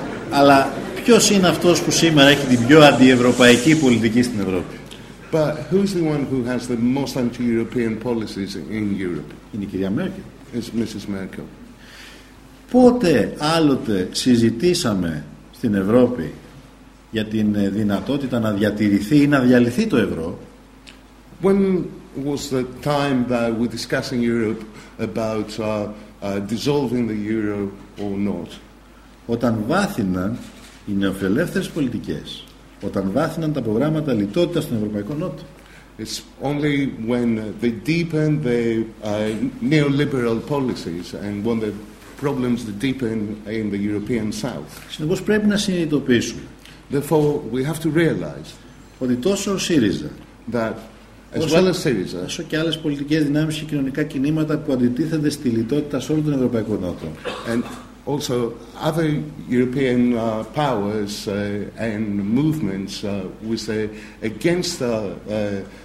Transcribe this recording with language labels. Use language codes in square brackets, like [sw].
[el] αλλά ποιος είναι αυτός που σήμερα έχει την πιο αντιευρωπαϊκή πολιτική στην Ευρώπη? [en] But who is the one who has the most anti-European policies in Europe? [el] Είναι η κυρία Μέρκελ. [en] It's Mrs. Merkel. [el] Πότε άλλοτε συζητήσαμε στην Ευρώπη για την δυνατότητα να διατηρηθεί ή να διαλυθεί το ευρώ? [en] When was the time that we discussed in Europe about dissolving the euro or not? [el] Όταν βάθυναν οι νεοφιλελεύθερες πολιτικές, όταν βάθυναν τα προγράμματα λιτότητας στον Ευρωπαϊκό Νότο. [en] It's only when they deepened the neoliberal policies and when the problems deepened in the European South. [el] Συνεπώς πρέπει να συνειδητοποιήσουμε. [en] Therefore, we have to realize [el] ότι τόσο ο ΣΥΡΙΖΑ, [en] that as well as Syriza, [el] όσο και άλλες πολιτικές δυνάμεις και κοινωνικά κινήματα που αντιτίθενται στη λιτότητα σε όλο τον Ευρωπαϊκό Νότο. [en] And also other European powers and movements with against the